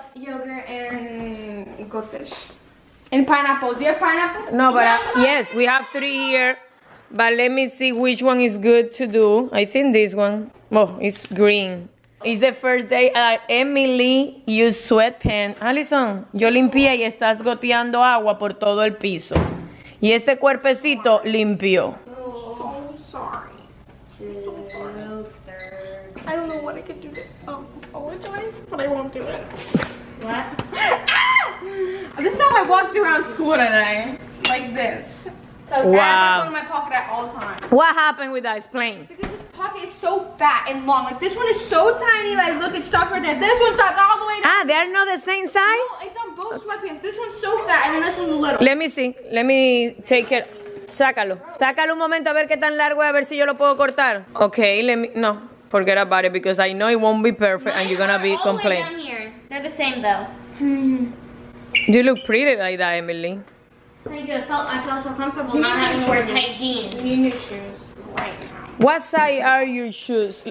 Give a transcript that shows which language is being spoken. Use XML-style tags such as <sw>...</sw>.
<en>Yogurt and goldfish. And pineapple. Do you have pineapple? No, but yes, we have three here. But let me see which one is good to do. I think this one. Oh, it's green. It's the first day that Emily used sweatpants.</en> <es>Allison, yo limpié y estás goteando agua por todo el piso. Y este cuerpecito limpió.</es> <en>I don't know what I could do to apologize, but I won't do it. What? This is how I walked around school today. Like this. Wow. I have it in my pocket at all times. What happened with that? Explain. Because this pocket is so fat and long. Like this one is so tiny. Like look, it stopped right there. This one stopped all the way down. Ah, they're not the same size? No, it's on both sweatpants. This one's so fat and then this one's little. Let me see. Let me take it.</en> <es>Sácalo. Sácalo un momento a ver qué tan largo es, a ver si yo lo puedo cortar.</es> <en>Okay, no. Forget about it because I know it won't be perfect and you're gonna be complaining. Down here. They're the same though. You look pretty like that, Emily. Thank you. I felt so comfortable not having to wear tight jeans. You need new shoes right now. What size are your shoes?</en>